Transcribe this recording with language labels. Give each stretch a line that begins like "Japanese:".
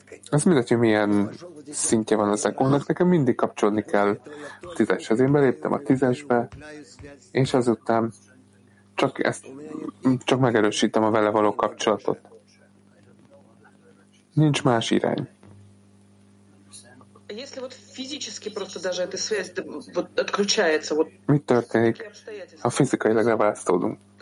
Hungarian: Ez mindegy, hogy milyen szintje van az egónak, nekem mindig kapcsolni kell a tízeshez. Én beléptem a tízesbe, és azután csak ezt, csak megerősítem a vele való kapcsolatot. Nincs más irány.
Russian: Если вот физически просто даже эта связь вот отключается, вот
Hungarian: mi történik, ha fizikailag leválasztódunk?